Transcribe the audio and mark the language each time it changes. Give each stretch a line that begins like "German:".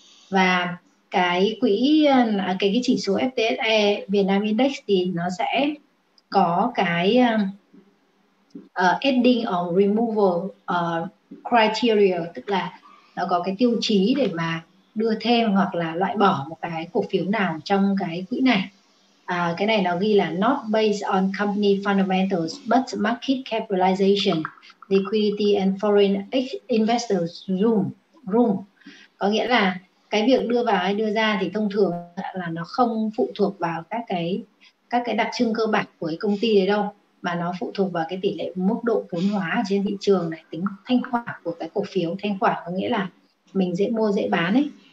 Vietnamese: Và cái quỹ cái chỉ số FTSE Việt Nam Index thì nó sẽ có cái
English: adding or removal criteria,
Vietnamese: tức là nó có cái tiêu chí để mà đưa thêm hoặc là loại bỏ một cái cổ phiếu nào trong cái quỹ này. Cái này nó ghi là
English: not based on company fundamentals but market capitalization, liquidity and foreign investors room.
Vietnamese: Có nghĩa là cái việc đưa vào hay đưa ra thì thông thường là nó không phụ thuộc vào các cái đặc trưng cơ bản của cái công ty đấy đâu, mà nó phụ thuộc vào cái tỷ lệ mức độ vốn hóa trên thị trường này, tính thanh khoản của cái cổ phiếu. Thanh khoản có nghĩa là mình dễ mua dễ bán ấy,